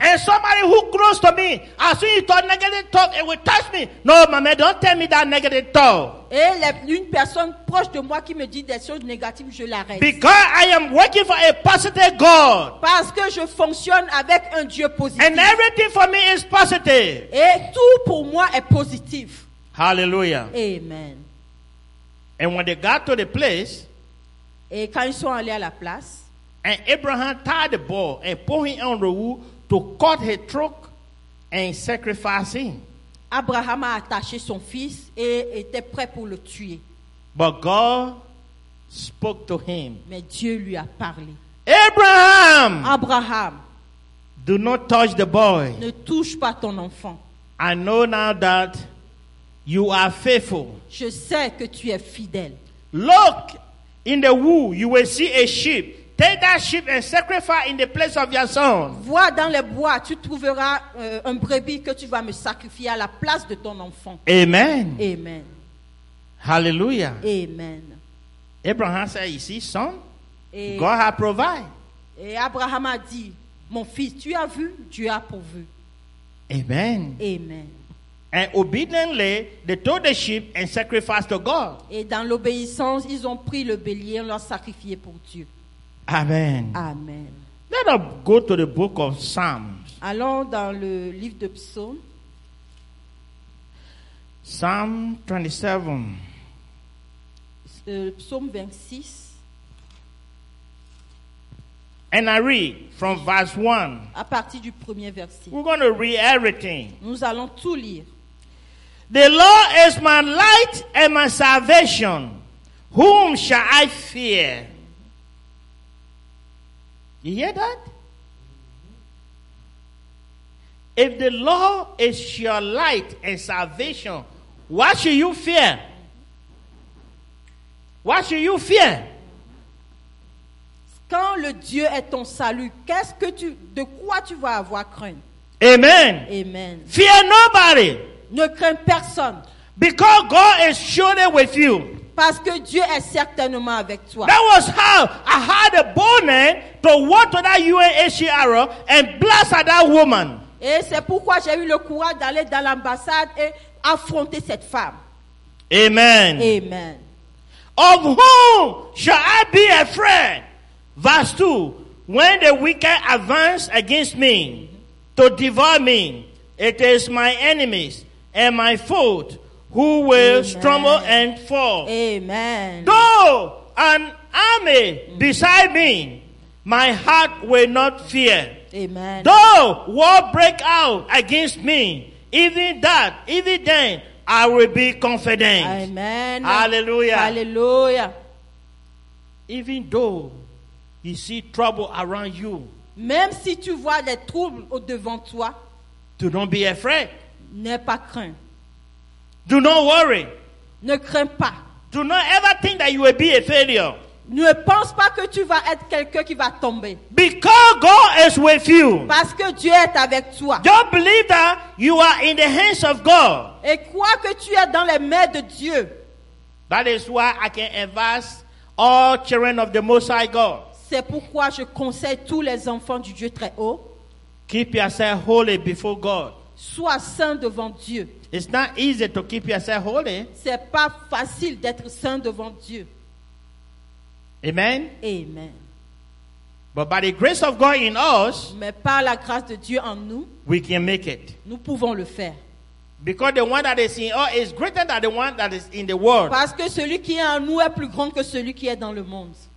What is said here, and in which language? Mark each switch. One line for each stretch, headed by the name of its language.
English: And somebody who close to me, as soon as you talk negative talk, it will touch me. No, mama, don't tell me that negative talk.
French: Et une personne proche de moi qui me dit des choses négatives, je l'arrête.
English: Because I am working for a positive God.
French: Parce que je fonctionne avec un Dieu positif.
English: And everything for me is positive.
French: Et tout pour moi est positif.
English: Hallelujah. Amen. And when they got to the place,
French: et quand ils sont allés à la place,
English: and Abraham tied the bull and put him on the wood to cut his throat and sacrifice him.
French: Abraham a attaché son fils et était prêt pour le tuer.
English: But God spoke to him.
French: Mais Dieu lui a parlé.
English: Abraham, do not touch the boy.
French: Ne touche pas ton enfant.
English: I know now that you are faithful.
French: Je sais que tu es fidèle.
English: Look in the wood, you will see a sheep. Take that sheep and sacrifice in the place of your son.
French: Vois dans les bois, tu trouveras un brebis que tu vas me sacrifier à la place de ton enfant.
English: Amen. Amen. Hallelujah. Amen. Abraham said, "You see, son, God has provided."
French: Et Abraham a dit, "Mon fils, tu as vu, Dieu a pourvu."
English: Amen. Amen. And obediently, they took the sheep and sacrificed to God.
French: Et dans l'obéissance, ils ont pris le bélier et l'ont sacrifié pour Dieu.
English: Amen. Amen. Let us go to the book of Psalms.
French: Allons dans le livre de Psaumes.
English: Psalm 27.
French: Psaume 26.
English: And I read from verse 1.
French: À partir du premier verset.
English: We're going to read everything.
French: Nous allons tout lire.
English: The Lord is my light and my salvation. Whom shall I fear? You hear that? If the Lord is your light and salvation, what should you fear? What should you fear?
French: Quand le Dieu est ton salut, qu'est-ce que tu, de quoi tu vas avoir crainte?
English: Amen. Amen. Fear nobody.
French: Ne crains personne.
English: Because God is surely with you.
French: Parce que Dieu est certainement avec toi.
English: That was how I had a boldness to walk to that UNHCR and bless that woman.
French: Et c'est pourquoi j'ai eu le courage d'aller dans l'ambassade et affronter cette femme.
English: Amen. Amen. Of whom shall I be afraid? Verse 2. When the wicked advance against me to devour me, it is my enemies and my foes who will Amen. Stumble and fall. Amen. Though an army beside me, my heart will not fear. Amen. Though war break out against me, even then, I will be confident. Amen. Hallelujah. Hallelujah. Even though you see trouble around you,
French: même si tu vois des troubles au devant toi,
English: do not be afraid.
French: N'aie pas crainte.
English: Do not worry.
French: Ne crains pas.
English: Do not ever think that you will be a failure.
French: Ne pense pas que tu vas être quelqu'un qui va tomber.
English: Because God is with you.
French: Parce que Dieu est avec toi.
English: Don't believe that you are in the hands of God.
French: Et crois que tu es dans les mains de Dieu.
English: That is why I can advise all children of the Most High God.
French: C'est pourquoi je conseille tous les enfants du Dieu très haut.
English: Keep yourself holy before God.
French: Sois saint devant Dieu.
English: It's not easy to keep yourself holy.
French: C'est pas facile d'être saint devant Dieu.
English: Amen. Amen. But by the grace of God in us,
French: mais par la grâce de Dieu en nous,
English: we can make it.
French: Nous pouvons le faire.
English: Because the one that is in us is greater than the one that is in the world.
French: Parce que celui qui est en nous est plus grand que celui qui est dans le monde.